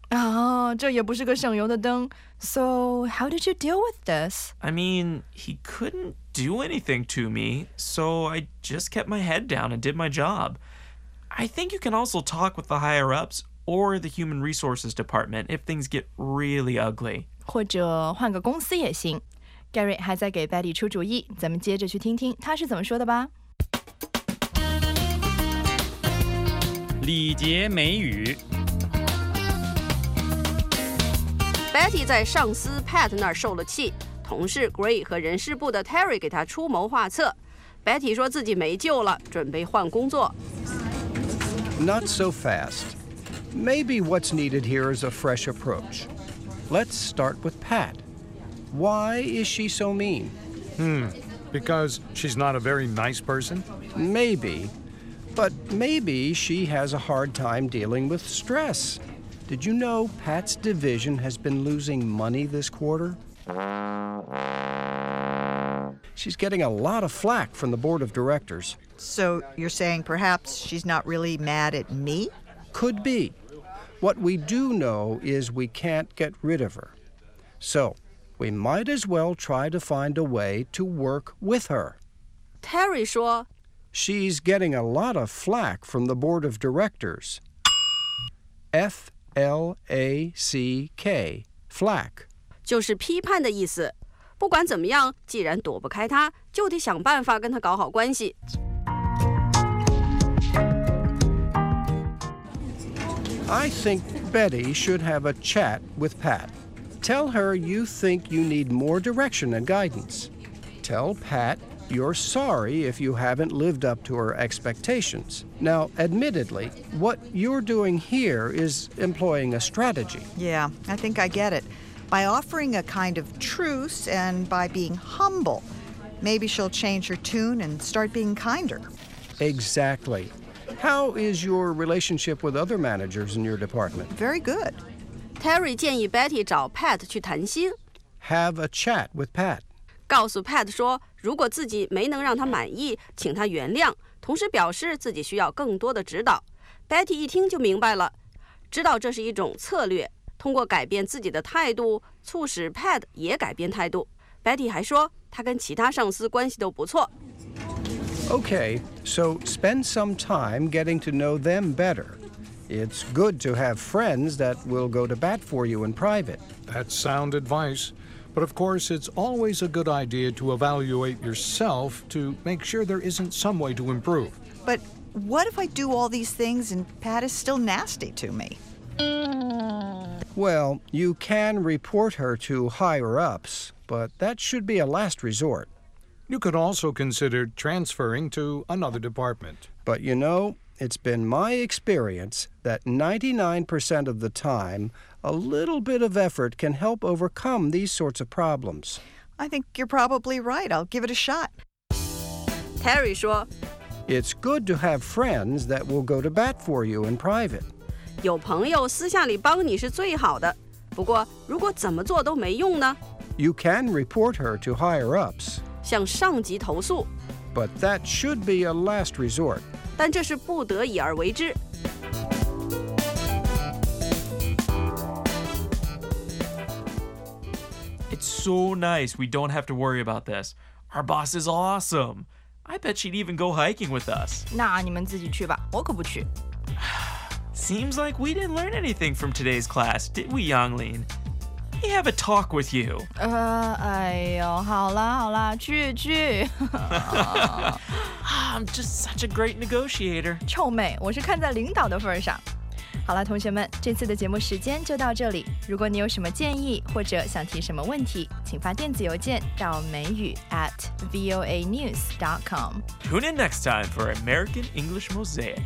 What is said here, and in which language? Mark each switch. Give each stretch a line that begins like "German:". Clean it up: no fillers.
Chinese: Oh, 这也不是个省油的灯。
English: So, how did you deal with this? I mean, he couldn't... do anything to me, so I just kept my head down and did my job. I think you can also talk with the higher-ups or the human resources department if things get really ugly.
Chinese: 或者换个公司也行。 Gary 还在给 Betty 出主意，咱们接着去听听他是怎么说的吧。礼节美语。 Betty 在上司 Pat 那儿受了气，同事 Gray 和人事部的 Terry 给他出谋划策。 Betty 说自己没救了，准备换工作。
English: Not so fast. Maybe what's needed here is a fresh approach. Let's start with Pat. Why is she so mean? Because she's not a very nice person? Maybe. But maybe she has a hard time dealing with stress. Did you know Pat's division has been losing money this quarter? She's getting a lot of flack from the board of directors. So you're saying perhaps she's not really mad at me? Could be. What we do know is we can't get rid of her. So we might as well try to find a way to work with her.
Chinese: Terry 说,
English: she's getting a lot of flack from the board of directors. F-L-A-C-K, flack.
Chinese: 就是批判的意思。不管怎么样，既然躲不开他，就得想办法跟他搞好关系。
English: I think Betty should have a chat with Pat. Tell her you think you need more direction and guidance. Tell Pat you're sorry if you haven't lived up to her expectations. Now, admittedly, what you're doing here is employing a strategy. Yeah, I think I get it. By offering a kind of truce and by being humble, maybe she'll change her tune and start being kinder. Exactly. How is your relationship with other managers in your department? Very good.
Chinese: Terry 建议 Betty 找 Pat 去谈心。
English: Have a chat with Pat.
Chinese: 告诉 Pat 说，如果自己没能让他满意，请他原谅，同时表示自己需要更多的指导。 Betty 一听就明白了，知道这是一种策略，通过改变自己的态度，促使 Pat 也改变态度。 Betty 还说，他跟其他上司关系都不错。
English: Okay, so spend some time getting to know them better. It's good to have friends that will go to bat for you in private. That's sound advice. But of course, it's always a good idea to evaluate yourself to make sure there isn't some way to improve. But what if I do all these things and Pat is still nasty to me? Well, you can report her to higher-ups, but that should be a last resort. You could also consider transferring to another department. But you know, it's been my experience that 99% of the time, a little bit of effort can help overcome these sorts of problems. I think you're probably right. I'll give it a shot.
Chinese: Terry 说,
English: it's good to have friends that will go to bat for you in private.
Chinese: 有朋友私下里帮你是最好的。不过如果怎么做都没用呢?
English: You can report her to higher-ups.
Chinese: 向上级投诉。
English: But that should be a last resort.
Chinese: 但这是不得已而为之。
English: It's so nice we don't have to worry about this. Our boss is awesome. I bet she'd even go hiking with us.
Chinese: 那你们自己去吧，我可不去。
English: Seems like we didn't learn anything from today's class, did we, Yanglin? Let me have a talk with you.
Chinese: 哎呦，好啦好啦，去去。
English: I'm just such a great negotiator.
Chinese: 臭美，我是看在领导的份上。好了，同学们，这次的节目时间就到这里。如果你有什么建议或者想提什么问题，请发电子邮件到美语 @voanews.com.
English: Tune in next time for American English Mosaic.